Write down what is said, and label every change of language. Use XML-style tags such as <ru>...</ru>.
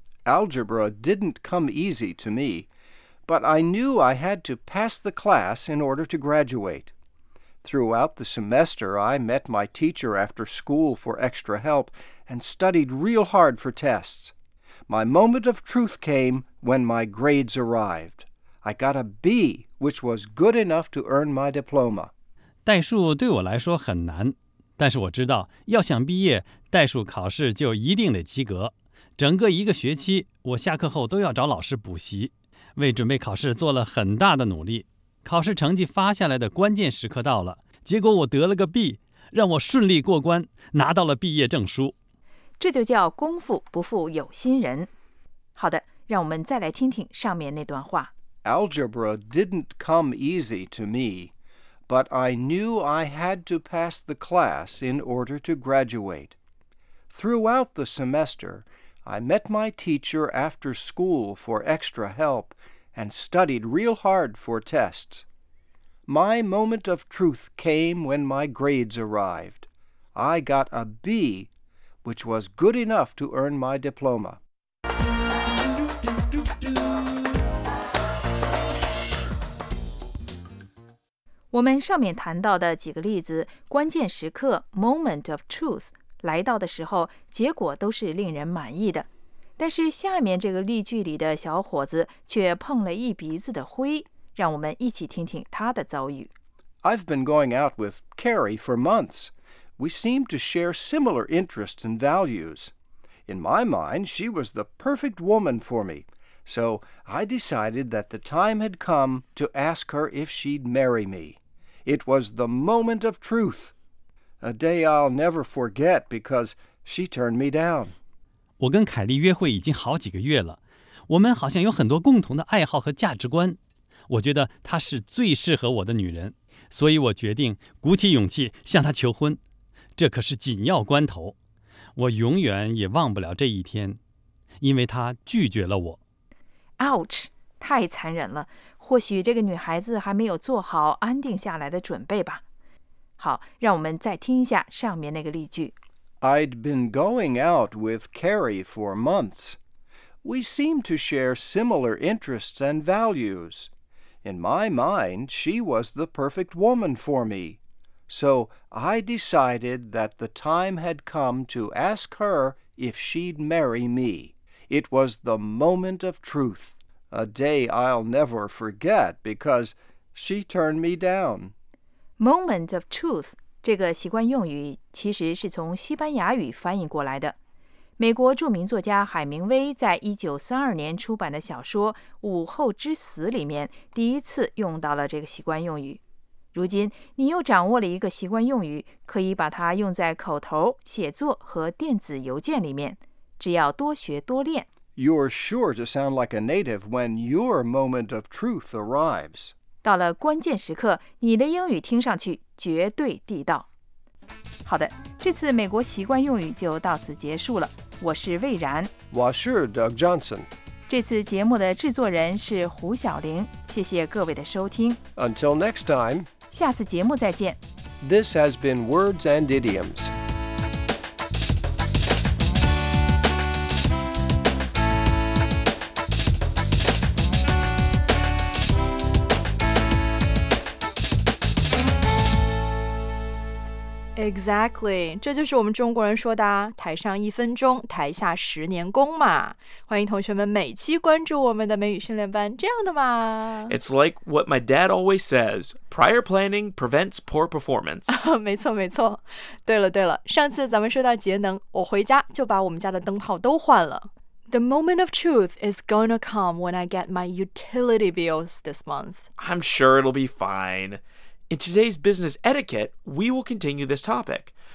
<en>Algebra didn't come easy to me, but I knew I had to pass the class in order to graduate. Throughout the semester, I met my teacher after school for extra help and studied real hard for tests. My moment of truth came when my grades arrived. I got a B, which was good enough to earn my diploma.</en> <zh>代数对我来说很难，但是我知道，要想毕业，代数考试就一定得及格。整个一个学期，我下课后都要找老师补习，为准备考试做了很大的努力。考试成绩发下来的关键时刻到了，结果我得了个 B， 让我顺利过关，拿到了毕业证书。这就叫功夫不负有心人。好的，让我们再来听听上面那段话。</zh> <en>Algebra didn't come easy to me, but I knew I had to pass the class in order to graduate. Throughout the semester,I met my teacher after school for extra help and studied real hard for tests. My moment of truth came when my grades arrived. I got a B, which was good enough to earn my diploma.</en> <zh>我们上面谈到的几个例子，关键时刻</zh> <en>moment of truth</en> <zh>来到的时候，结果都是令人满意的。但是下面这个例句里的小伙子却碰了一鼻子的灰，让我们一起听听他的遭遇。</zh> <en>I've been going out with Carrie for months. We seem to share similar interests and values. In my mind, she was the perfect woman for me. So I decided that the time had come to ask her if she'd marry me. It was the moment of truth. A day I'll never forget because she turned me down.</en> <zh>我跟凯莉约会已经好几个月了，我们好像有很多共同的爱好和价值观。我觉得她是最适合我的女人，所以我决定鼓起勇气向她求婚。这可是紧要关头，我永远也忘不了这一天，因为她拒绝了我。 Ouch， 太残忍了，或许这个女孩子还没有做好安定下来的准备吧。好，让我们再听一下上面那个例句。 I'd been going out with Carrie for months. We seemed to share similar interests and values. In my mind, she was the perfect woman for me. So I decided that the time had come to ask her if she'd marry me. It was the moment of truth. A day I'll never forget because she turned me down. Moment of truth. 这个习惯用语其实是从西班牙语翻译过来的。美国著名作家海明威在1932年出版的小说《午后之死》里面第一次用到了这个习惯用语。如今你又掌握了一个习惯用语，可以把它用在口头、写作和电子邮件里面，只要多学多练。</zh> <en>You're sure to sound like a native when your moment of truth arrives.</en> <zh>到了关键时刻，你的英语听上去绝对地道。好的，这次美国习惯用语就到此结束了。我是魏然，我是 Doug Johnson。这次节目的制作人是胡晓玲。谢谢各位的收听。</zh> <en>Until next time。</en> <zh>下次节目再见。</zh> <en>This has been Words and Idioms。</en> <zh>Exactly， 这就是我们中国人说的“台上一分钟，台下十年功”嘛。欢迎同学们每期关注我们的美语训练班，这样的嘛。</zh> <en>It's like what my dad always says: prior planning prevents poor performance.</en> <zh>没错，没错。对了，对了，上次咱们说到节能，我回家就把我们家的灯泡都换了。</zh> <en>The moment of truth is gonna come when I get my utility bills this month. I'm sure it'll be fine. In today's business etiquette, we will continue this topic.</en>